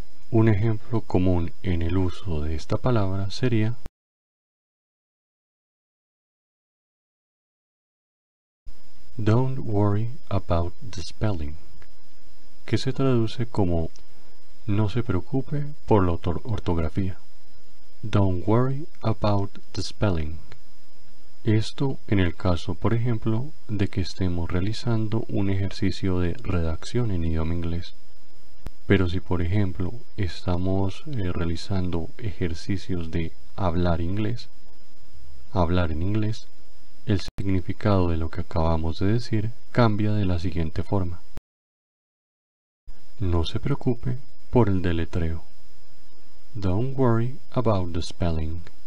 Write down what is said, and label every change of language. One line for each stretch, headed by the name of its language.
Spanish: Un ejemplo común en el uso de esta palabra sería:
English: don't worry about the spelling,
Spanish: que se traduce como no se preocupe por la ortografía.
English: Don't worry about the spelling.
Spanish: Esto en el caso, por ejemplo, de que estemos realizando un ejercicio de redacción en idioma inglés. Pero si, por ejemplo, estamos realizando ejercicios de hablar en inglés, el significado de lo que acabamos de decir cambia de la siguiente forma: no se preocupe por el deletreo.
English: Don't worry about the spelling.